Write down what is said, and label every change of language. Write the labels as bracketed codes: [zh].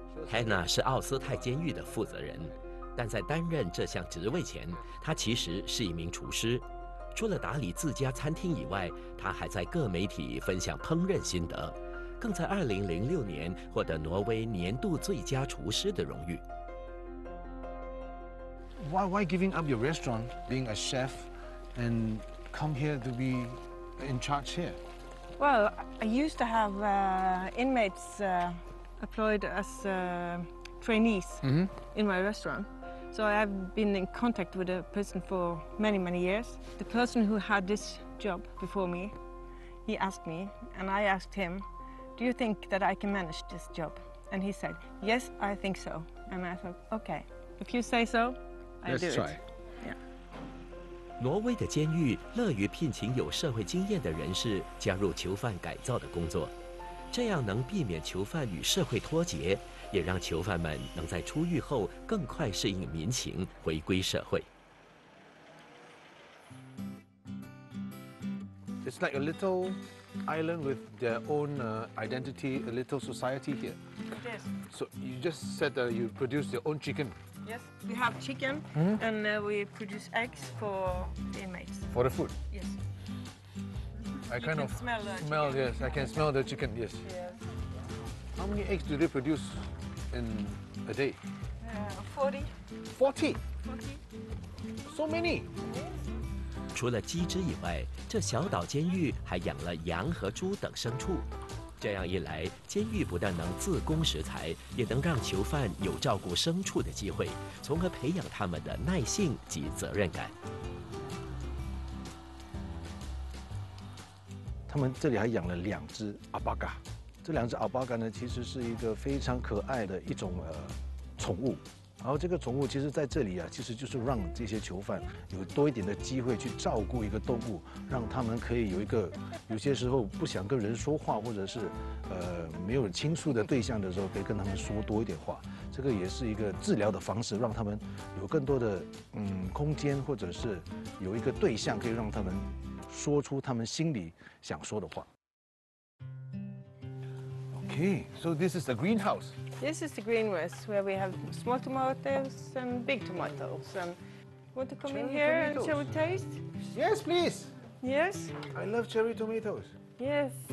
[zh] Hanna 是奥斯泰监狱的负责人，但在担任这项职位前，她其实是一名厨师。除了打理自家餐厅以外，她还在各媒体分享烹饪心得。更在2006年获得挪威年度最佳厨师的荣誉。 [en] Why giving up your restaurant, being a chef, and come here to be in charge here? Well, I used to have inmates employed as trainees mm-hmm. in my restaurant, so I have been in contact with a person for many, many years. The person who had this job before me, he asked me, and I asked him. Do you think that I can manage this job? And he said, yes, I think so. And I thought, okay, if you say so, I do it. Let's try. Yeah. [zh] 挪威的监狱乐于聘请有社会经验的人士加入囚犯改造的工作，这样能避免囚犯与社会脱节，也让囚犯们能在出狱后更快适应民情，回归社会。 [en] It's like a little... island with their own identity, a little society here. Yes. So you just said that you produce your own chicken. Yes, we have chicken mm-hmm. and we produce eggs for the inmates. For the food? Yes. I kind you of smell, smell yes, I can smell the chicken, yes. Yes. How many eggs do they produce in a day? 40. 40? So many? Yes. [zh] 除了鸡只以外，这小岛监狱还养了羊和猪等牲畜。这样一来，监狱不但能自供食材，也能让囚犯有照顾牲畜的机会，从而培养他们的耐性及责任感。他们这里还养了两只阿巴嘎，这两只阿巴嘎呢，其实是一个非常可爱的一种宠物。然后这个宠物其实在这里啊，其实就是让这些囚犯有多一点的机会去照顾一个动物，让他们可以有一个有些时候不想跟人说话，或者是没有倾诉的对象的时候，可以跟他们说多一点话。这个也是一个治疗的方式，让他们有更多的空间，或者是有一个对象可以让他们说出他们心里想说的话。 [en] Okay, so this is the greenhouse. This is the greenhouse where we have small tomatoes and big tomatoes. And want to come、 cherry、 in here、 tomatoes. And shall we taste? Yes, please. Yes. I love cherry tomatoes. Yes.